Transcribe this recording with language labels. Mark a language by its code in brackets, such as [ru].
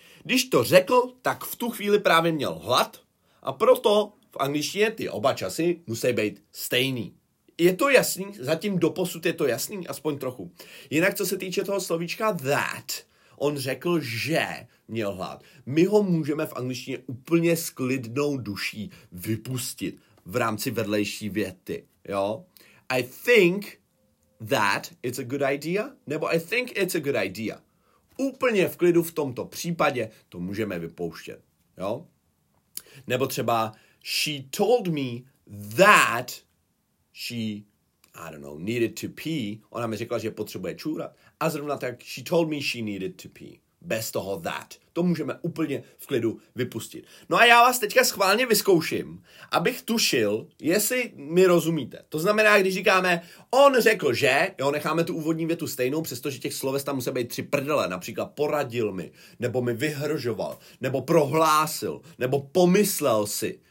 [cs] Když to řekl, tak v tu chvíli právě měl hlad a proto v angličtině ty oba časy musí být stejný. Je to jasný? Zatím doposud je to jasný? Aspoň trochu. Jinak, co se týče toho slovíčka that, on řekl, že měl hlad. My ho můžeme v angličtině úplně s klidnou duší vypustit v rámci vedlejší věty, jo? [en] I think that it's a good idea, [cs] nebo [en] I think it's a good idea. [cs] Úplně v klidu v tomto případě to můžeme vypouštět, jo? Nebo třeba [en] she told me that she, I don't know, needed to pee. [cs] Ona mi řekla, že potřebuje čůrat. A zrovna tak, [en] she told me she needed to pee. [cs] Bez toho that. To můžeme úplně v klidu vypustit. No a já vás teďka schválně vyzkouším, abych tušil, jestli mi rozumíte. To znamená, když říkáme, on řekl, že, jo, necháme tu úvodní větu stejnou, přestože těch sloves tam musí být tři prdele, například poradil mi, nebo mi vyhrožoval, nebo prohlásil, nebo pomyslel si.